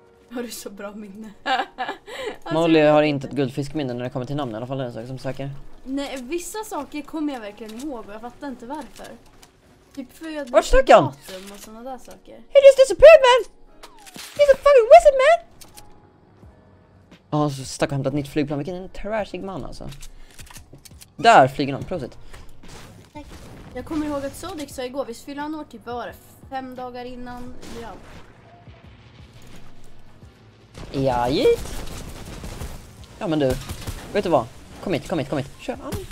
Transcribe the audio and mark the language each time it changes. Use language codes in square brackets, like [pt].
[sv] Har du så bra minne? Molly har inte ett guldfiskminne när det kommer till namn, i alla fall är det en sak som säker. Nej, vissa saker kommer jag verkligen ihåg och jag fattar inte varför. Typ för jag vart stack han? Datum och sådana där saker. [en] He just disappeared, man! He's a fucking wizard, man! [sv] Ja, oh, så stack och hämtat ett nytt flygplan. Vilken en trashig man, alltså. Där flyger han, prosit. Tack. Jag kommer ihåg att Sodix sa igår, visst fyller han år typ, vad var det? 5 dagar innan, ja. Ja, git. Ja, men du. Vet du vad? Kom hit. Kör an.